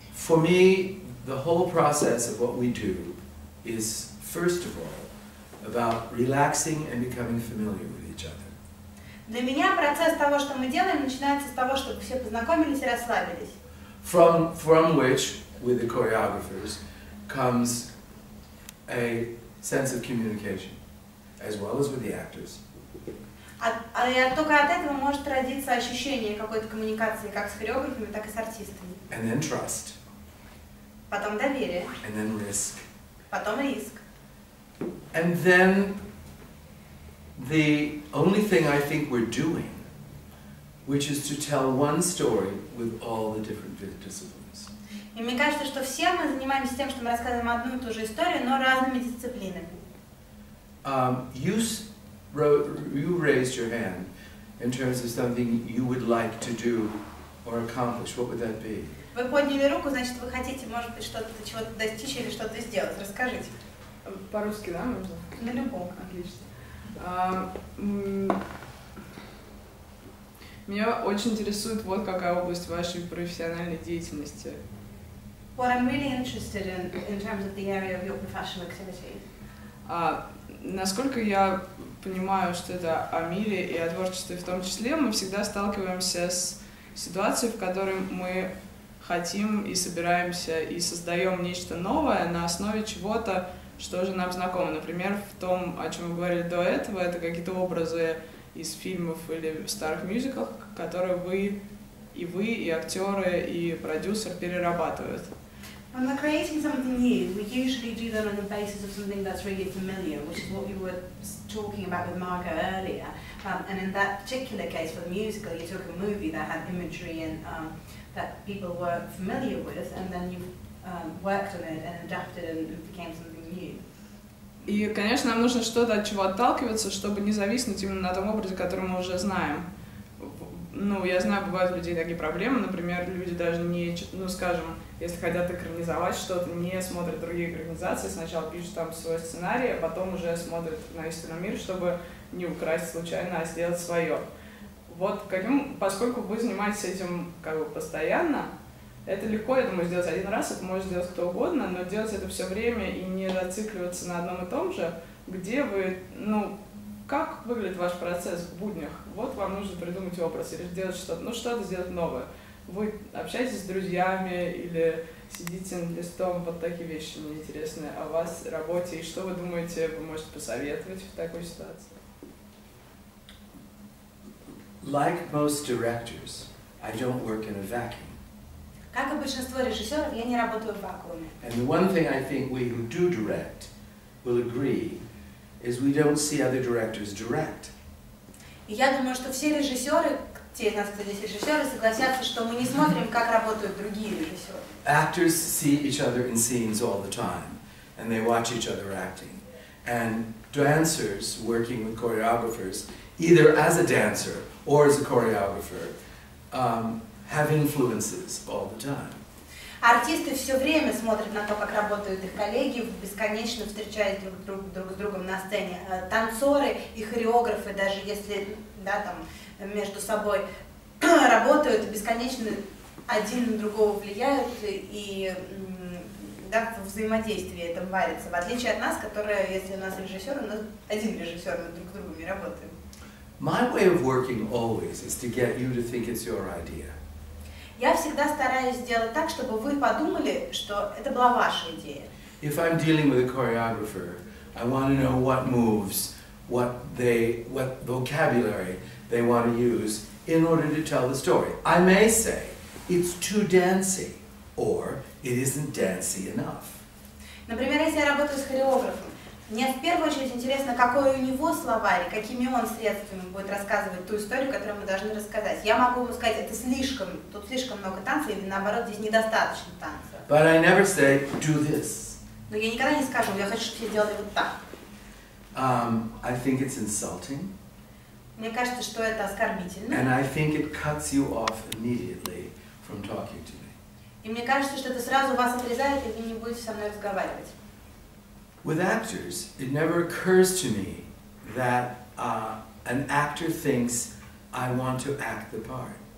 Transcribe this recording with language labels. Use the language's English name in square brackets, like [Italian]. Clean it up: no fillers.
[English] For me, the whole process of what we do is, first of all, about relaxing and becoming familiar with each other. [Russian] Для меня процесс того, что мы делаем, начинается с того, чтобы все познакомились и расслабились. [English] From which, with the choreographers, comes a sense of communication, as well as with the actors. [Russian] Только от этого может родиться ощущение какой-то коммуникации, как с хореографами, так и с артистами. [English] And then trust. [Russian] Потом доверие. [English] And then risk. [Russian] Потом риск. [English] And then the only thing I think we're doing, which is to tell one story with all the different disciplines. [Russian] И мне кажется, что все мы занимаемся тем, что мы рассказываем одну и ту же историю, но разными дисциплинами. [English] You raised your hand in terms of something you would like to do or accomplish. What would that be? [Russian] Вы подняли руку, значит, вы хотите, может быть, что-то, чего-то достичь или что-то сделать. Расскажите. По-русски, да, можно? На любом. Отлично. Меня очень интересует вот какая область вашей профессиональной деятельности. [English] What I'm really interested in terms of the area of your professional activity. [Russian] Насколько я понимаю, что это о мире и о творчестве в том числе, мы всегда сталкиваемся с ситуацией, в которой мы хотим и собираемся и создаем нечто новое на основе чего-то, что же нам знакомо. Например, в том, о чем мы говорили до этого, это какие-то образы из фильмов или старых мюзиклов, которые вы, и актеры, и продюсер перерабатывают. [English] When we're creating something new, we usually do that on the basis of something that's really familiar, which is what you were talking about with Marco earlier. And in that particular case, for the musical, you took a movie that had imagery and that people were familiar with, and then you worked on it and adapted it and became something. [Russian] И, конечно, нам нужно что-то от чего отталкиваться, чтобы не зависнуть именно на том образе, который мы уже знаем. Ну, я знаю, бывают у людей такие проблемы, например, люди даже не, ну, скажем, если хотят экранизовать что-то, не смотрят другие экранизации, сначала пишут там свой сценарий, а потом уже смотрят на истинный мир, чтобы не украсть случайно, а сделать свое. Вот каким, поскольку вы занимаетесь этим как бы постоянно, это легко, я думаю, сделать один раз, это может сделать кто угодно, но делать это все время и не зацикливаться на одном и том же, где вы, ну, как выглядит ваш процесс в буднях? Вот вам нужно придумать образ или сделать что-то, ну что-то сделать новое. Вы общаетесь с друзьями или сидите над листом, вот такие вещи мне интересны о вас, работе, и что вы думаете, вы можете посоветовать в такой ситуации? [English] Like most directors, I don't work in a vacuum. [Russian] Как и большинство режиссеров, я не работаю в вакууме. [English] And the one thing I think we who do direct will agree is we don't see other directors direct. [Russian] И я думаю, что все режиссеры, те из нас, кто здесь режиссеры, согласятся, что мы не смотрим, как работают другие режиссеры. [English] Actors see each other in scenes all the time, and they watch each other acting. And dancers working with choreographers, either as a dancer or as a choreographer, have influences all the time. [Russian] Артисты все время смотрят на то, как работают их коллеги, бесконечно встречают друг с другом на сцене. Танцоры и хореографы, даже если да, там, между собой работают, бесконечно один на другого влияют, и да, взаимодействие это варится. В отличие от нас, которые, если у нас режиссер, у нас один режиссер, мы друг с другом не работаем. [English] My way of working always is to get you to think it's your idea. [Russian] Я всегда стараюсь сделать так, чтобы вы подумали, что это была ваша идея. [English] If I'm dealing with a choreographer, I want to know what moves, what vocabulary they want to use in order to tell the story. I may say, it's too dancey, or it isn't dancey enough. [Russian] Например, если я работаю с хореографом, мне в первую очередь интересно, какой у него словарь, какими он средствами будет рассказывать ту историю, которую мы должны рассказать. Я могу ему сказать, это слишком, тут слишком много танцев, или наоборот, здесь недостаточно танцев. [English] But I never say, do this. [Russian] Но я никогда не скажу, я хочу, чтобы все делали вот так. [English] I think it's insulting. [Russian] Мне кажется, что это оскорбительно. [English] And I think it cuts you off immediately from talking to me. [Russian] И мне кажется, что это сразу вас отрезает, и вы не будете со мной разговаривать. [English] With actors, it never occurs to me that an actor thinks I want to act the part.